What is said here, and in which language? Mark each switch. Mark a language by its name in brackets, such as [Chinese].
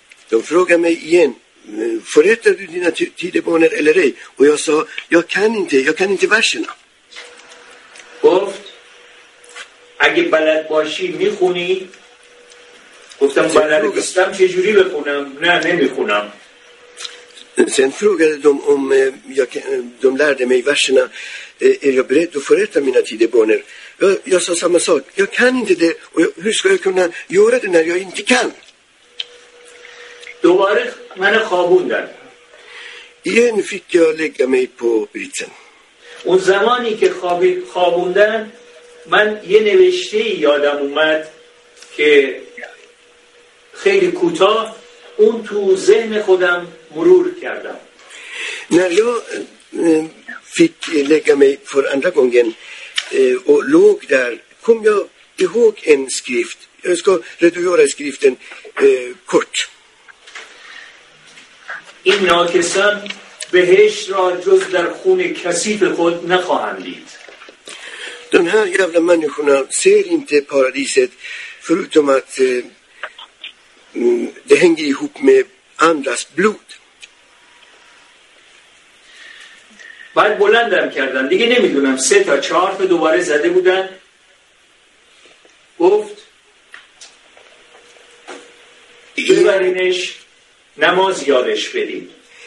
[Swedish] De frågade mig igen, förrättar du dina tidebaner eller ej? Och jag sa, jag kan inte verserna. [Persian] گفت اگه بلد باشی میخونی؟ گفتم بلد نیستم چجوری بخونم؟ نه نمیخونم. [Swedish] Sen frågade de om jag, de lärde mig verserna, är jag beredd att förrätta mina tidebaner? Jag sa samma sak, jag kan inte det, och hur ska jag kunna göra det när jag inte kan? [Persian] دوباره من خوابوندم. [Swedish] Igen fick jag lägga mig på britsen. [Persian] اون زمانی که خوابوندن من یه نوشته یادم اومد که خیلی کوتاه اون تو ذهن خودم مرور کردم. [Swedish] När jag fick lägga mig för andra gången och låg där kom jag ihåg en skrift. Jag ska redogöra skriften kort. [Persian] این ناکسان بهش را جز در خون کثیف خود نخواهند دید. [Swedish] De här jävla människorna ser inte paradiset förutom att det hänger ihop med andras blod. [Persian] بعد بلندم کردن دیگه نمیدونم سه تا چهار تا دوباره زده بودن. گفت ببرینش نماز یادش بدید.